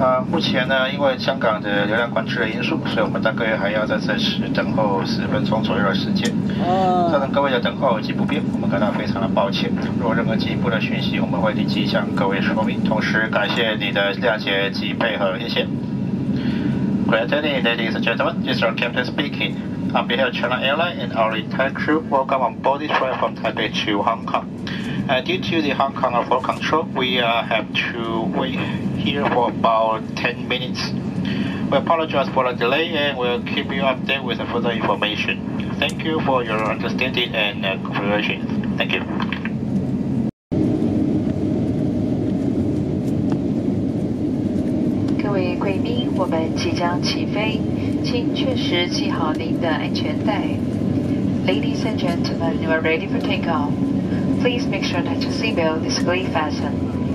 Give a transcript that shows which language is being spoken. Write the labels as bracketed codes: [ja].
[zh] 目前呢，因为香港的流量管制的因素，所以我们大概还要在这时等候10分钟左右的时间。造成各位的等候及不便，我们感到非常的抱歉。如果任何进一步的讯息，我们会立即向各位说明。同时感谢你的谅解及配合，谢谢。 [en] Good evening, ladies and gentlemen. This is our captain speaking. On behalf of China Airlines and our entire crew, welcome on board this flight from Taipei to Hong Kong. Due to the Hong Kong flow control, we have to wait here for about 10 minutes. We apologize for the delay and we'll keep you updated with further information. Thank you for your understanding and cooperation. Thank you. [zh] 贵宾，我们即将起飞，请确实系好您的安全带。 [en] Ladies and gentlemen, you are ready for takeoff. Please make sure that your seatbelt is fully fastened.